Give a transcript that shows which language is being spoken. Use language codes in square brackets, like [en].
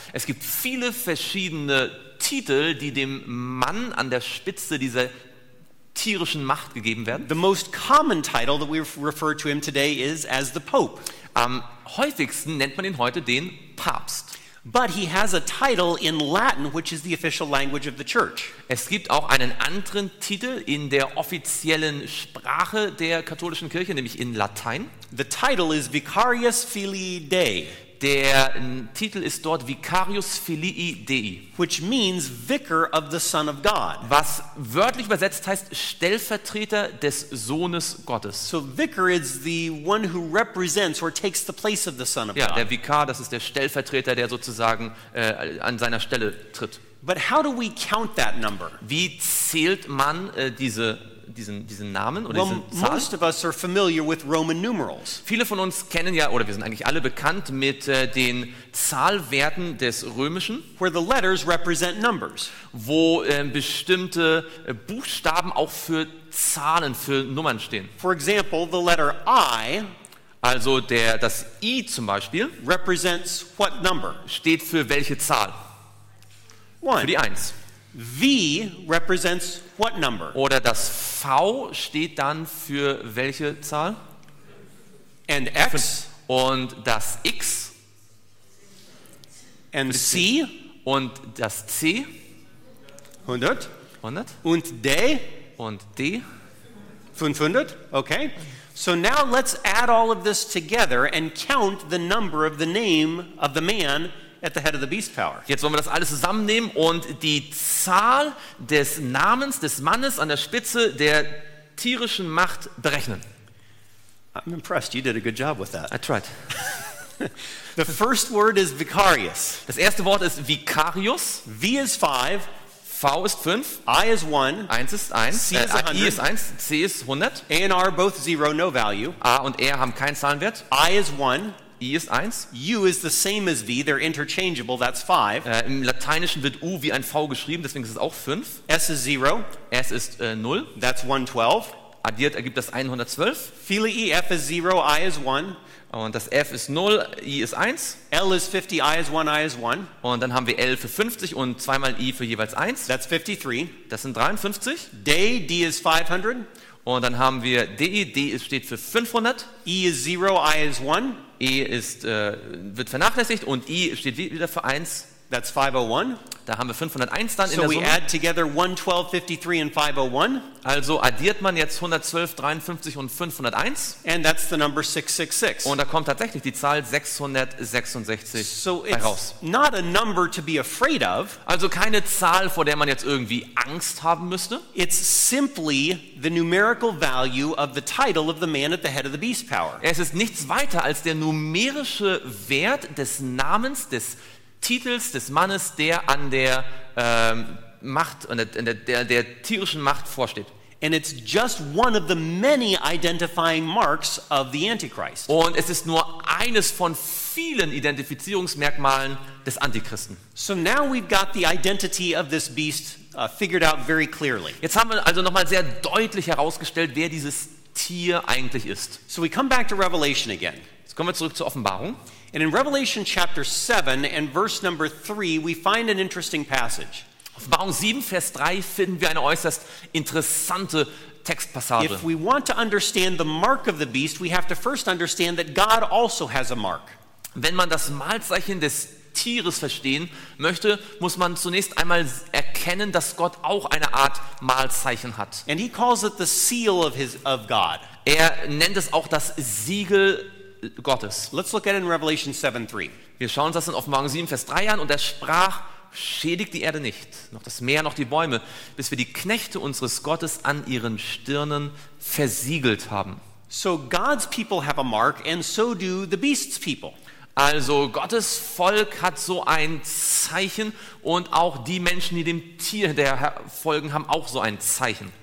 [de] Es gibt viele verschiedene Titel, die dem Mann an der Spitze dieser tierischen Macht gegeben werden. [en] The most common title that we refer to him today is as the Pope. [de] Am häufigsten nennt man ihn heute den Papst. [en] But he has a title in Latin, which is the official language of the church. [de] Es gibt auch einen anderen Titel in der offiziellen Sprache der katholischen Kirche, nämlich in Latein. [en] The title is Vicarius Filii Dei. [de] Der Titel ist dort Vicarius Filii Dei, [en] which means vicar of the Son of God. [de] Was wörtlich übersetzt heißt Stellvertreter des Sohnes Gottes. [en] So vicar is the one who represents or takes the place of the Son of [de] ja, [en] God. [de] Ja, der Vikar, das ist der Stellvertreter, der sozusagen an seiner Stelle tritt. [en] But how do we count that number? [de] Wie zählt man diesen Namen oder [en] well, [de] diese Zahl? [en] Most of us are familiar with Roman numerals. [de] Viele von uns kennen ja, oder wir sind eigentlich alle bekannt mit den Zahlwerten des Römischen, [en] where the letters represent numbers. [de] Wo bestimmte Buchstaben auch für Zahlen, für Nummern stehen. [en] For example, the letter I, [de] also das I zum Beispiel, [en] represents what number? [de] Steht für welche Zahl? [en] One. [de] Für die 1. [en] V represents what number? [de] Oder das V steht dann für welche Zahl? [en] And X. [de] Und das X. [en] And C. [de] Und das C. [en] 100. [de] 100. Und D. Und D. [en] 500. Okay. So now let's add all of this together and count the number of the name of the man at the head of the beast power. [de] Jetzt wollen wir das alles zusammennehmen und die Zahl des Namens des Mannes an der Spitze der tierischen Macht berechnen. [en] I'm impressed. You did a good job with that. I tried. The first word is Vicarius. [de] Das erste Wort ist Vicarius. [en] V is 5. [de] V ist 5. [en] I is 1. [de] 1 ist 1. [en] C is 100. [de] I ist 1. C ist 100. [en] A and R both 0, no value. [de] A und R haben keinen Zahlenwert. [en] I is 1. [de] I ist 1. [en] U is the same as V, they're interchangeable, that's 5. [de] Im Lateinischen wird U wie ein V geschrieben, deswegen ist es auch 5. [en] S is 0. [de] S ist 0. [en] That's 112. [de] Addiert ergibt das 112. [en] Philei F is 0, I is 1. [de] Und das F ist 0, I ist 1. [en] L is 50, I is 1, I is 1. [de] Und dann haben wir L für 50 und zweimal I für jeweils 1. [en] That's 53. [de] Das sind 53. [en] Day, D is 500. [de] Und dann haben wir DE, D steht für 500. [en] E is 0, I is 1. [de] E ist, wird vernachlässigt und I steht wieder für 1. [en] That's 501. [de] Da haben wir 501 dann so in der Summe. [en] So we add together 112, 53 and 501. [de] Also addiert man jetzt 112, 53 und 501. [en] And that's the number 666. [de] Und da kommt tatsächlich die Zahl 666 so heraus. [en] It's not a number to be afraid of. [de] Also keine Zahl, vor der man jetzt irgendwie Angst haben müsste. [en] It's simply the numerical value of the title of the man at the head of the beast power. [de] Es ist nichts weiter als der numerische Wert des Namens des Titels des Mannes, der an der Macht und der tierischen Macht vorsteht. [en] And it's just one of the many identifying marks of the Antichrist. [de] Und es ist nur eines von vielen Identifizierungsmerkmalen des Antichristen. [en] So now we've got the identity of this beast figured out very clearly. [de] Jetzt haben wir also nochmal sehr deutlich herausgestellt, wer dieses Tier eigentlich ist. [en] So we come back to Revelation again. [de] Jetzt kommen wir zurück zur Offenbarung. [en] And in Revelation chapter 7 and verse number 3 we find an interesting passage. [de] Offenbarung 7 Vers 3 finden wir eine äußerst interessante Textpassage. [en] If we want to understand the mark of the beast, we have to first understand that God also has a mark. [de] Wenn man das Malzeichen des Tieres verstehen möchte, muss man zunächst einmal erkennen, dass Gott auch eine Art Malzeichen hat. [en] And he calls it the seal of God. [de] Er nennt es auch das Siegel Gottes. [en] Let's look at it in Revelation 7:3. [de] Wir schauen uns das in Offenbarung 7, Vers 3 an. Und er sprach, schädigt die Erde nicht, noch das Meer, noch die Bäume, bis wir die Knechte unseres Gottes an ihren Stirnen versiegelt haben. [en] So God's people have a mark and so do the beast's people. [de] Also Gottes Volk hat so ein Zeichen und auch die Menschen, die dem Tier hinterher folgen, haben auch so ein Zeichen.